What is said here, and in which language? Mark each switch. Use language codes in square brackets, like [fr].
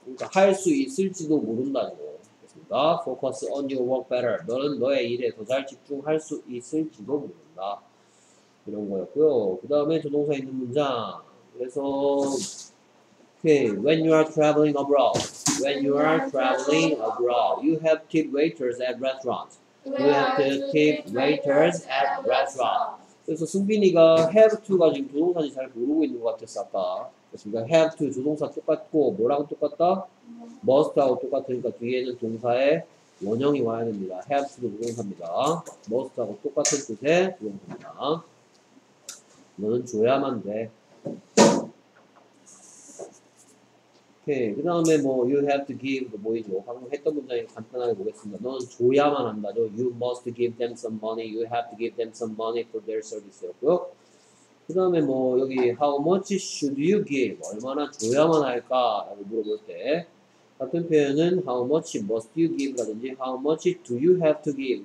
[ko] 그러니까 할 수 있을지도 모른다고. 그렇습니다. [en] Focus on your work better. [ko] 너는 너의 일에 더 잘 집중할 수 있을지도 모른다. 이런 거였고요. 그 다음에 조동사 있는 문장. 그래서 Okay. [en] When you are traveling abroad, when you are traveling abroad, you have tip waiters at restaurants. You have to tip waiters at restaurants. [ko] 그래서 승빈이가 have to가 지금 조동사인지 잘 모르고 있는 것 같았어, 아까. 그렇습니다. have to 조동사 똑같고 뭐랑 똑같다? must 하고 똑같으니까 뒤에는 동사의 원형이 와야 됩니다. have to 조동사입니다. must 하고 똑같은 뜻의 조동사입니다. 너는 줘야만 돼. 오케이. 그 다음에 뭐 [en] you have to give [ko] 뭐이죠? 방금 했던 문장이 간단하게 보겠습니다. 너는 줘야만 한다죠. [en] you must give them some money. you have to give them some money for their service였고요. [ko] 그 다음에 뭐 여기 [en] how much should you give? [ko] 얼마나 줘야만 할까? 라고 물어볼 때 같은 표현은 [en] how much must you give? [ko] 라든지 [en] how much do you have to give?